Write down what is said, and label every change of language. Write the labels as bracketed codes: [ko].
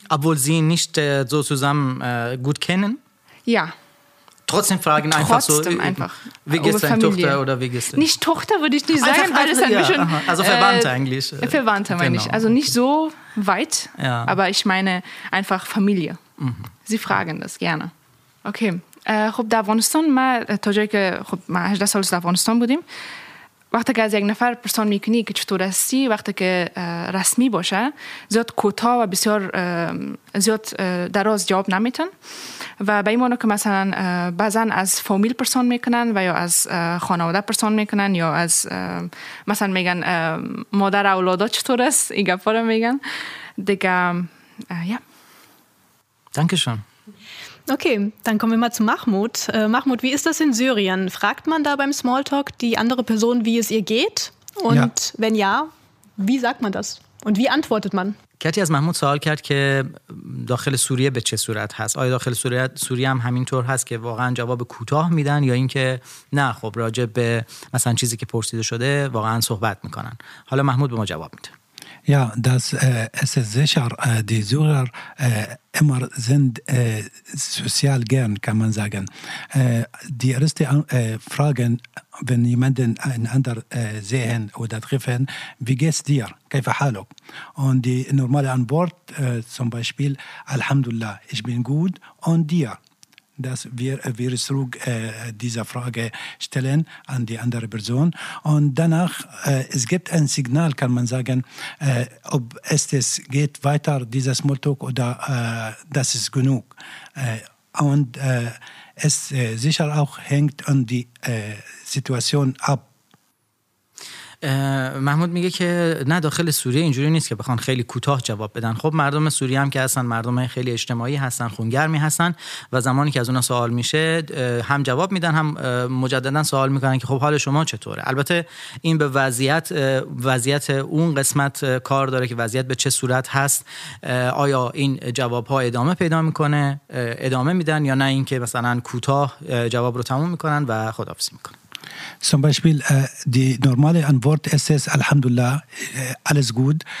[de] Obwohl sie nicht so zusammen gut kennen? Ja. Trotzdem einfach. Wie geht es deine Tochter oder wie geht es? Nicht Tochter würde ich nicht sagen, einfach, weil es ein bisschen. Also Verwandte eigentlich. Verwandte meine genau. Ich. Also nicht so weit, ja. Aber ich meine einfach Familie. Mhm. Sie fragen das gerne. Okay. [fa] Хоб да Афганистон ма то جای که خب ما 18 سال در افغانستان بودیم وقتی که از یک نفر پرسون میکنی که چطور هستی وقتی که رسمی باشه زیاد کوتاه و بسیار زیاد دراز جواب نمیتن و به این معنی که مثلا بعضن از فامیل پرسون میکنن و یا از خانواده پرسون میکنن یا از مثلا میگن مادر اولاد چطور است این گپا رو میگن دیگه یا [de] دانکشون. Okay, dann kommen wir mal zu Mahmoud. Mahmoud, wie ist das in Syrien? Fragt man da beim Smalltalk die andere Person, wie es ihr geht? Und ja. Wenn ja, wie sagt man das? Und wie antwortet man? [fa] کتی از محمود سوال کرد که داخل سوریه به چه صورت هست؟ آیا داخل سوریه هم همینطور هست که واقعا جواب کوتاه میدن یا اینکه نه خب راجع به مثلا چیزی که پرسیده شده واقعا صحبت میکنن؟ حالا محمود به ما جواب میده. [de] Ja, das ist sicher, die Syrer immer sind sozial gern, kann man sagen. Die erste Frage, wenn jemanden einander sehen oder treffen, wie geht's dir? [ar] Kaifa haluk? [de] Und die normale Antwort zum Beispiel, Alhamdulillah, ich bin gut und dir? Dass wir zurück diese Frage stellen an die andere Person. Und danach, es gibt ein Signal, kann man sagen, ob es geht weiter, dieser Smalltalk, oder das ist genug. Und es sicher auch hängt an die Situation ab. [fa] محمود میگه که نه داخل سوریه اینجوری نیست که بخوان خیلی کوتاه جواب بدن. خب مردم سوریه هم که هستن مردم خیلی اجتماعی هستن، خونگرمی هستن و زمانی که از اونا سوال میشه هم جواب میدن هم مجددا سوال میکنن که خب حال شما چطوره. البته این به وضعیت اون قسمت کار داره که وضعیت به چه صورت هست، آیا این جواب ها ادامه پیدا میکنه، ادامه میدن یا نه اینکه مثلا کوتاه جواب رو تموم میکنن و خداحافظی میکنن. [de] Zum Beispiel, die normale Antwort ist es, Alhamdulillah, alles gut.